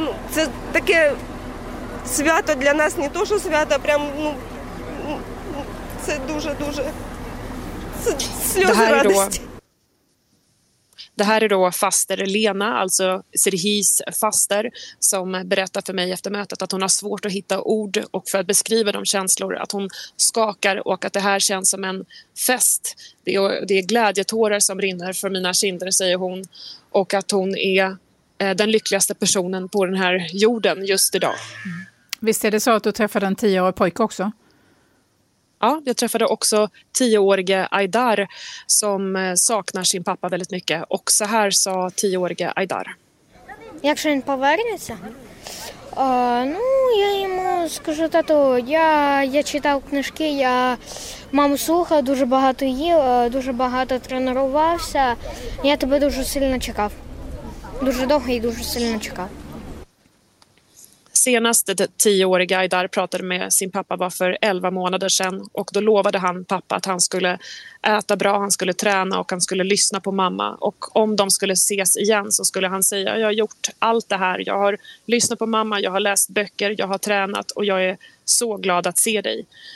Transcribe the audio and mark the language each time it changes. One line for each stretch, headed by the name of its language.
Ukrainian: Це таке свято для нас, не то що свято, прям ну це дуже-дуже сльози радості.
Swedish: Det här är då faster Lena, alltså Serhis faster, som berättar för mig efter mötet att hon har svårt att hitta ord och för att beskriva de känslor, att hon skakar och att det här känns som en fest. Det är glädjetårar som rinner för mina kinder, säger hon, och att hon är den lyckligaste personen på den här jorden just idag. Mm. Visst är det så att du träffade en 10-årig pojke också? Ja, jag träffade också 10-årige Aydar som saknar sin pappa väldigt mycket. Och så här sa 10-årige Aydar. Jag ska inte påverka.
Ukrainian: Ну, я йому скажу, тато, я читав книжки, я маму слухав, дуже багато їв, дуже багато тренувався. Я тебе дуже сильно чекав. Дуже довго і дуже сильно чекав.
Swedish: Senast 10-årige Aydar pratade med sin pappa var för 11 månader sedan, och då lovade han pappa att han skulle äta bra, han skulle träna och han skulle lyssna på mamma. Och om de skulle ses igen så skulle han säga, jag har gjort allt det här, jag har lyssnat på mamma, jag har läst böcker, jag har tränat och jag är så glad att se dig.